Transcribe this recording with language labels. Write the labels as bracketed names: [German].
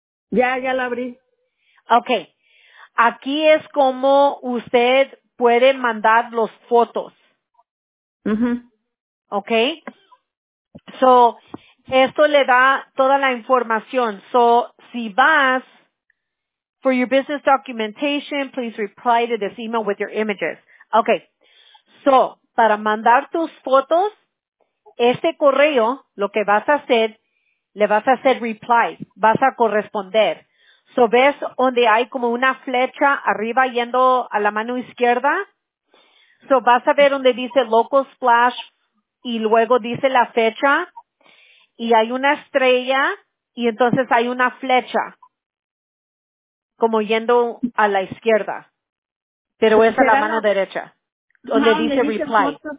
[Spanish] Ya lo abrí. [English] Okay. [Spanish] Aquí es como usted puede mandar las fotos. Uh-huh. [English] Okay. [Spanish] So, esto le da toda la información. [English] So, [Spanish] si vas, [English] for your business documentation, please reply to this email with your images. Okay. [Spanish] So, para mandar tus fotos, este correo, lo que vas a hacer, le vas a hacer reply. Vas a corresponder. So, ¿ves donde hay como una flecha arriba yendo a la mano izquierda? So, vas a ver donde dice local splash y luego dice la fecha y hay una estrella y entonces hay una flecha como yendo a la izquierda, pero es a la mano derecha, donde dice reply.